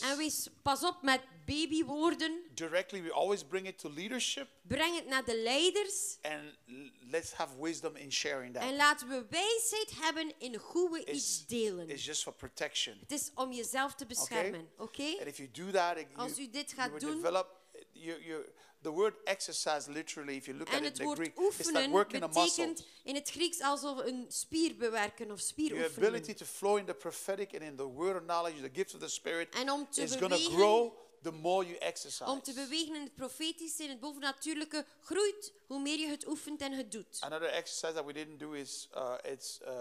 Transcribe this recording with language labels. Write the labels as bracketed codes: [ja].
[nl] En wees pas op met babywoorden. [en] Directly, we always bring it to leadership. [nl] Breng het naar de leiders. [en] And let's have wisdom in sharing that. [nl] En laten we wijsheid hebben in hoe we iets delen. [en] It's just for protection. [nl] Het is om jezelf te beschermen, oké? [en] And if you do that, [nl] als u dit gaat doen, [en] develop your the word exercise literally, if you look at it in the Greek, it's like working a muscle. [nl] In het Grieks alsof een spier bewerken of spier oefenen. [en] Your ability to flow in the prophetic and in the word of knowledge, the gift of the Spirit, [nl] en om te [en] is going to grow. The more you exercise. [nl] Om te bewegen in het profetische, in het bovennatuurlijke, groeit hoe meer je het oefent en het doet. [en] Another exercise that we didn't do is it's